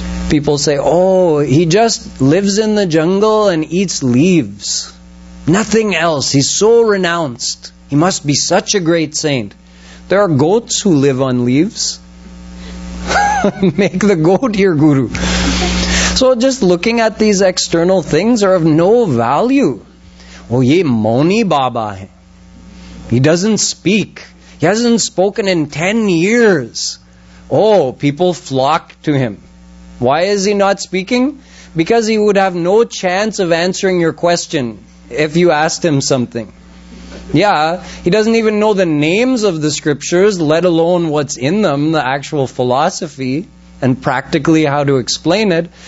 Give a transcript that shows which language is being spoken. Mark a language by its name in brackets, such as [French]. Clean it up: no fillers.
[English] People say, oh, he just lives in the jungle and eats leaves. Nothing else. He's so renounced. He must be such a great saint. There are goats who live on leaves. Make the goat your guru. So just looking at these external things are of no value. [Hindi] Oh, ये मोनी बाबा है. [English] He doesn't speak. He hasn't spoken in 10 years. Oh, people flock to him. Why is he not speaking? because he would have no chance of answering your question if you asked him something. Yeah, he doesn't even know the names of the scriptures, let alone what's in them, the actual philosophy, and practically how to explain it.